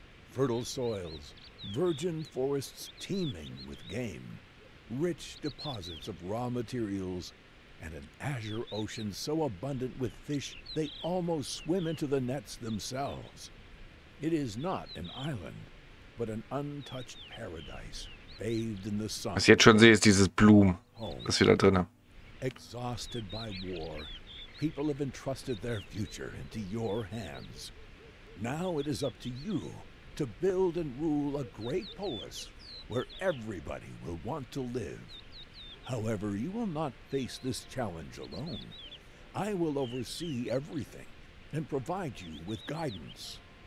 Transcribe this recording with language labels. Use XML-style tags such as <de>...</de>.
<en>Fertile soils, virgin forests teeming with game, rich deposits of raw materials, and an azure ocean so abundant with fish they almost swim into the nets themselves. It is not an island, but an untouched paradise bathed in the sun.</en> <de>Was ich jetzt schon sehe, ist dieses Blumen, das wir da drin haben.</de> <en>Exhausted by war, people have entrusted their future into your hands. Now it is up to you to build and rule a great polis where everybody will want to live. However, you will not face this challenge alone. I will oversee everything and provide you with guidance.</en>